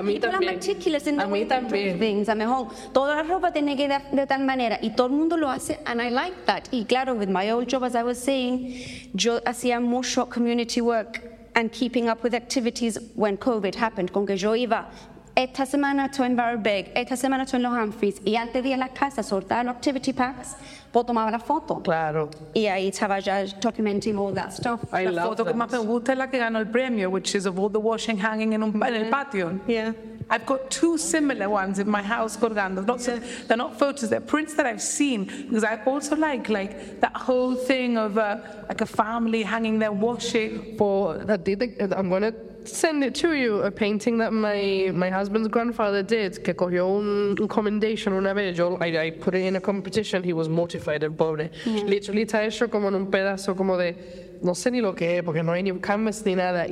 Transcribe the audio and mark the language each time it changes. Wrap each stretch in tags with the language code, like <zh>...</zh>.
<en>People are meticulous in the way they do things.</en> <es>A lo mejor, toda la ropa tiene que dar de tal manera, y todo el mundo lo hace,</es> <en>and I like that.</en> <es>Y claro,</es> <en>with my old job, as I was saying,</en> <es>yo hacía mucho</es> <en>community work and keeping up with activities when COVID happened,</en> <es>con que yo iba... Esta semana estoy en Barbeck, esta semana estoy en Los Humphreys, y antes de ir a la casa, soltar los activity packs, puedo tomar la foto. Claro. Y ahí estaba ya</es> <en>documenting all that stuff. I</en> <es>la</es> <en>love</en> <es>foto</es> <en>that.</en> <es>Que más me gusta es la que ganó el premio,</es> <en>which is of all the washing hanging in</en> <es>en el patio.</es> <en>Yeah. I've got two similar ones in my house colgando. They're not photos, they're prints that I've seen, because I also like that whole thing of like a family hanging their washing. I'm going to send it to you, a painting that my husband's grandfather did,</en> <es>que cogió un commendation una vez.</es> <en>I put it in a competition, he was mortified,</en> <es>el pobre.</es> <en>Yeah.</en> <es>Literally está hecho como en un pedazo como de, no sé ni lo que es, porque no hay ni canvas ni nada.</es>